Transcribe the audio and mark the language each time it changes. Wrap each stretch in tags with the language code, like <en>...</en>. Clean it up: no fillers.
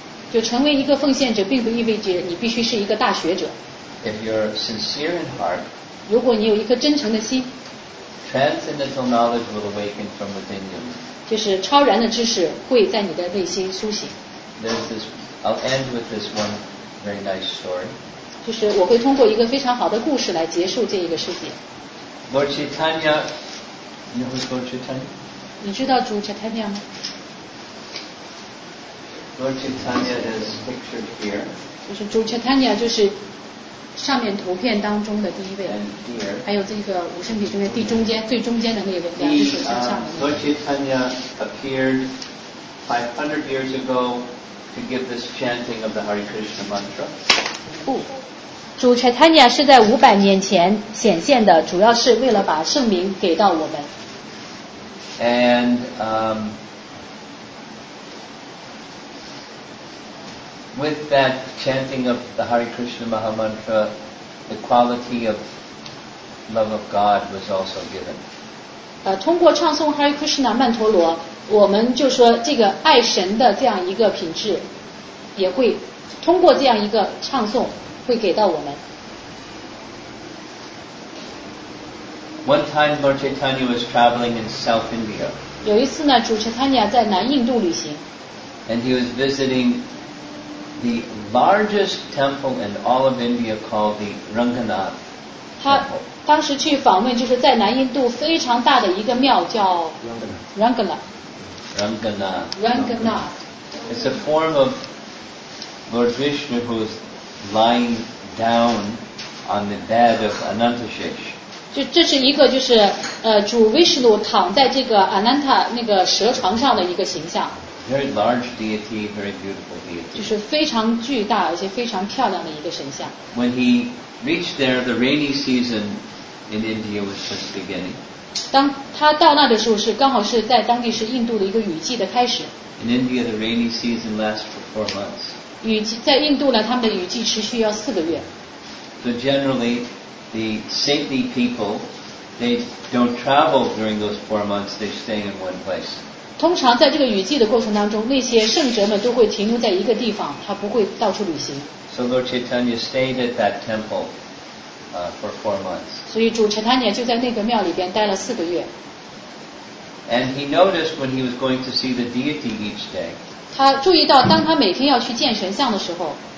<zh>就成为一个奉献者并不意味着你必须是一个大学者。</zh> <en>If you're sincere in heart,</en> <zh>如果你有一颗真诚的心，</zh> <en>transcendental knowledge will awaken from within you.</en> <zh>就是超然的知识会在你的内心苏醒。</zh> <en>I'll end with this one very nice story.</en> <zh>就是我会通过一个非常好的故事来结束这一个世界。</zh> <en>Lord Chaitanya, you know who's Lord Chaitanya?</en> <zh>你知道主 Chaitanya 吗？</zh> <en>Lord Chaitanya is pictured here.</en> <zh>就是主 Chaitanya 就是上面图片当中的第一位，</zh> <en>here,</en> <zh>还有这个五圣品中间第中间最中间的那位，两只手向上。</zh> <en>Lord Chaitanya appeared 500 years ago to give this chanting of the Hare Krishna mantra.</en> <zh>主 Chaitanya 是在500年前显现的，主要是为了把圣名给到我们。</zh> <en>And with that chanting of the Hare Krishna Maha Mantra, the quality of love of God was also given.</en> <zh>通过唱诵 Hare Krishna 曼陀罗，我们就说这个爱神的这样一个品质，也会通过这样一个唱诵会给到我们。</zh> <en>One time, Lord Chaitanya was traveling in South India.</en> <zh>有一次呢，主 Chaitanya 在南印度旅行。</zh> <en>And he was visiting the largest temple in all of India called the Ranganath temple.</en> <zh>他当时去访问就是在南印度非常大的一个庙叫 Ranganath.</zh> <en>It's a form of Lord Vishnu who is lying down on the bed of Anantashesh.</en> <zh>这是一个就是主 Vishnu 躺在这个 Ananta 那个蛇床上的一个形象。</zh> <en>Very large deity, very beautiful deity.</en> <zh>就是非常巨大而且非常漂亮的一个神像。</zh> <en>When he reached there, the rainy season in India was just beginning.</en> <zh>当他到那的时候是刚好是在当地是印度的一个雨季的开始。</zh> <en>In India, the rainy season lasts for 4 months.</en> <zh>雨季在印度呢，他们的雨季持续要四个月。</zh> <en>So generally, the saintly people, they don't travel during those 4 months. They stay in one place.</en> <zh>通常在这个雨季的过程当中，那些圣者们都会停留在一个地方，他不会到处旅行。</zh> <en>So Lord Chaitanya stayed at that temple, for 4 months.</en> <zh>所以主 Chaitanya 就在那个庙里边待了四个月。</zh> <en>And he noticed when he was going to see the deity each day.</en> <zh>他注意到，当他每天要去见神像的时候</zh>